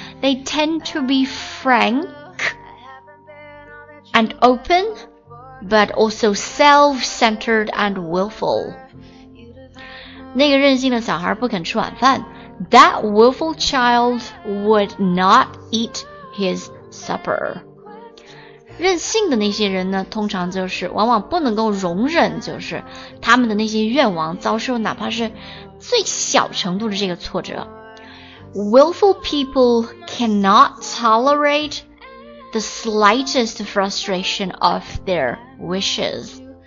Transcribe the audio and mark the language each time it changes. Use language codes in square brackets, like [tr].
[en] They tend to be frank and open but also self-centered and willful. [zh] 那个任性的小孩不肯吃晚饭。 [en] That willful child would not eat his supper. [zh] 任性的那些人呢，通常就是往往不能够容忍，就是他们的那些愿望遭受哪怕是最小程度的这个挫折。 [en] Willful people cannot tolerate the slightest frustration of their wishes.